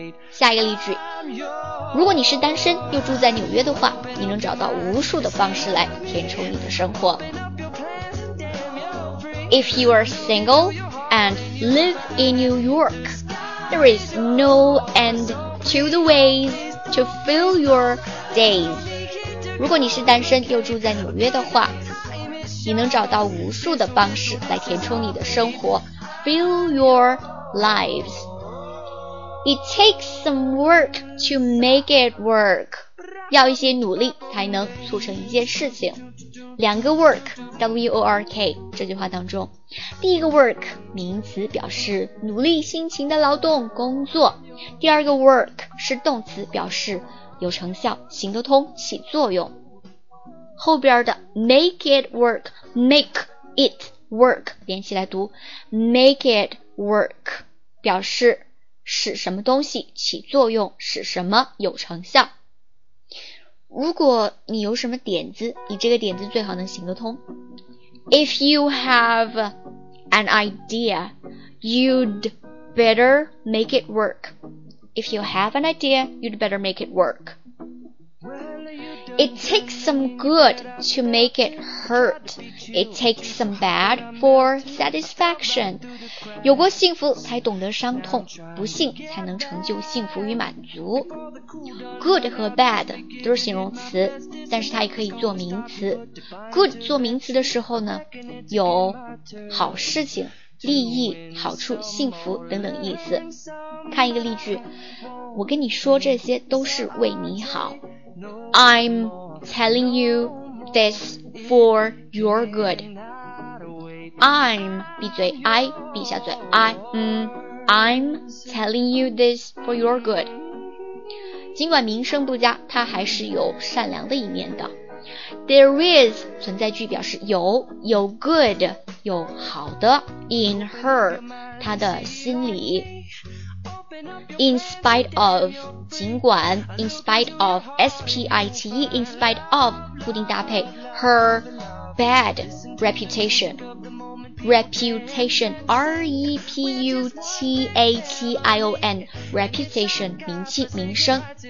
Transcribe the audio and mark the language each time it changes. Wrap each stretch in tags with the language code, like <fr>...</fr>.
<zh>下一个例句，如果你是单身又住在纽约的话，你能找到无数的方式来填充你的生活。</zh> <en>If you are single and live in New York, there is no end to the ways to fill your days.</en> <zh>如果你是单身又住在纽约的话，你能找到无数的方式来填充你的生活</zh> <en>Fill your lives. It takes some work to make it work.</en> <zh>要一些努力才能促成一件事情。两个 work, W-O-R-K, 这句话当中，第一个 work, 名词表示努力辛勤的劳动工作，第二个 work 是动词表示有成效行得通起作用。后边的</zh> <en>make it work,</en> <zh>make it work, 连起来读 make it work, 表示使什么东西起作用，使什么有成效。如果你有什么点子，你这个点子最好能行得通。</zh> <en>If you have an idea, you'd better make it work. If you have an idea, you'd better make it work. It takes some good to make it hurt. It takes some bad for satisfaction.</en> <zh>有过幸福才懂得伤痛，不幸才能成就幸福与满足。 Good 和 bad 都是形容词，但是它也可以做名词。 Good 做名词的时候呢，有好事情、利益、好处、幸福等等意思。看一个例句，我跟你说这些都是为你好。</zh> <en>I'm telling you this for your good. I'm</en> <zh>闭嘴</zh> <en>I</en> <zh>闭下嘴</zh> <en>I'm telling you this for your good.</en> <zh>尽管名声不佳，他还是有善良的一面的。</zh> <en>There is</en> <zh>存在句表示有 good 有好的</zh> <en>in her</en> <zh>他的心里。In spite of, 尽管 in spite of, S-P-I-T-E, in spite of, 固定搭配</zh> <en>her bad reputation,</en> <zh>reputation, R-E-P-U-T-A-T-I-O-N, reputation, 名气名声。</zh>